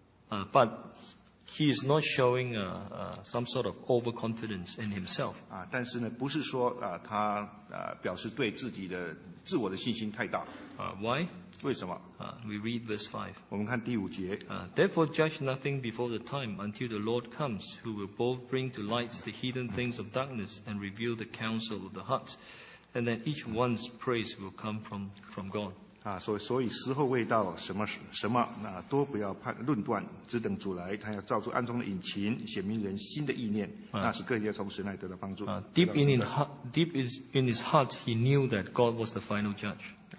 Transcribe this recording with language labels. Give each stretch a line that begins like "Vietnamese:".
English: But he is not showing some sort of overconfidence in himself.
Chinese: 但是呢，不是说他表示对自己的自我的信心太大。
English: Why?
Chinese: 为什么?
English: We read verse 5.
Chinese: 我们看第五节。
English: Therefore judge nothing before the time until the Lord comes, who will both bring to light the hidden things of darkness and reveal the counsel of the heart, and then each one's praise will come from God.
Chinese: 所以时候未到，什么什么，多不要判论断，只等主来，他要照出暗中的隐情，显明人心的意念，那是个人要从神来得到帮助。
English: Deep in his heart, he knew that God was the final judge.